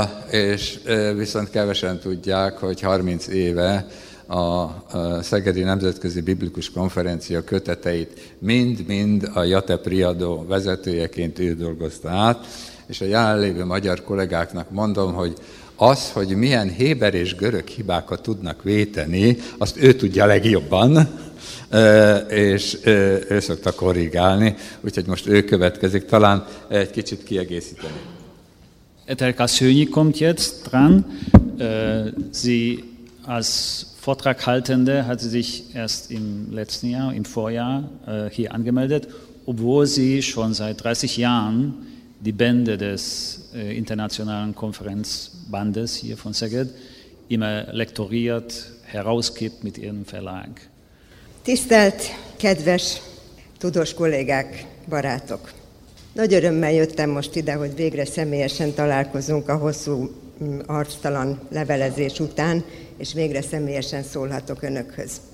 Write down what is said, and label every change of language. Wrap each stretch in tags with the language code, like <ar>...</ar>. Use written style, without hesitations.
<hu>És viszont kevesen tudják, hogy 30 éve a Szegedi Nemzetközi Biblikus Konferencia köteteit mind-mind a Jate Priadó vezetőjeként ő dolgozta át, és a jelenlévő magyar kollégáknak mondom, hogy az, hogy milyen héber és görög hibákat tudnak véteni, azt ő tudja legjobban, és ő szokta korrigálni, úgyhogy most ő következik, talán egy kicsit kiegészíteni.</hu> <de>Etelka Szőnyi kommt jetzt dran. Sie als Vortraghaltende hat sie sich erst im letzten Jahr, im Vorjahr, hier angemeldet, obwohl sie schon seit 30 Jahren die Bände des internationalen Konferenzbandes hier von Szeged immer lektoriert, herausgibt mit ihrem Verlag.</de> <hu>Tisztelt, kedves, tudós kollégák, barátok! Nagy örömmel jöttem most ide, hogy végre személyesen találkozunk a hosszú arctalan levelezés után, és végre személyesen szólhatok önökhöz.</hu>